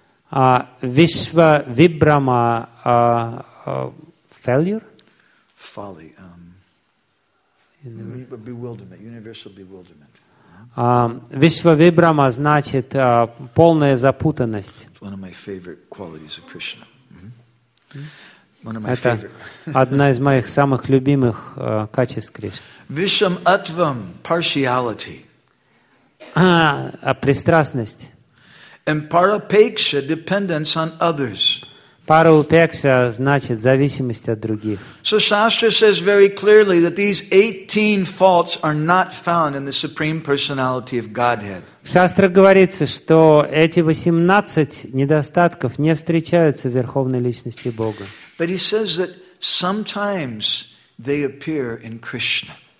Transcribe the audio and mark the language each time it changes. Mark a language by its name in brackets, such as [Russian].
[English] Vishvavibhrama, failure? Folly. Bewilderment, universal bewilderment. [Russian] Вишвавибрама значит полная запутанность. [English] It's one of my favorite qualities of Krishna. [Russian] Это одна из моих самых любимых качеств Кришны. [English] Вишам атвам partiality. [Russian] Пристрастность. [English] And парапекша dependence on others. [Russian] Параупекша значит зависимость от других. [English] So Shastra says very clearly that these 18 faults are not found in the Supreme Personality of Godhead. [Russian] В Шастре говорится, что эти 18 недостатков не встречаются в Верховной Личности Бога. [English] But he says that sometimes they appear in Krishna.